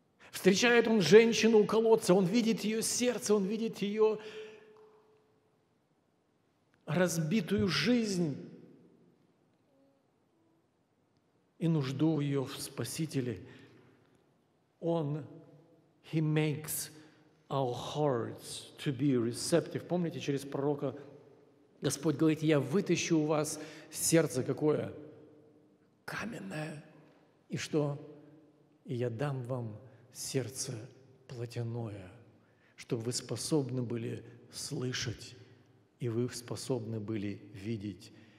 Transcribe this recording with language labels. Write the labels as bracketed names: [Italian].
[Russian] Встречает он женщину у колодца, он видит ее сердце, он видит ее разбитую жизнь и нужду ее в Спасителе. Он, [English] He makes our hearts to be receptive. [Russian] Помните, через пророка Господь говорит: я вытащу у вас сердце какое? Каменное. И что? И я дам вам сердце плотяное, чтобы вы способны были слышать, и вы способны были видеть.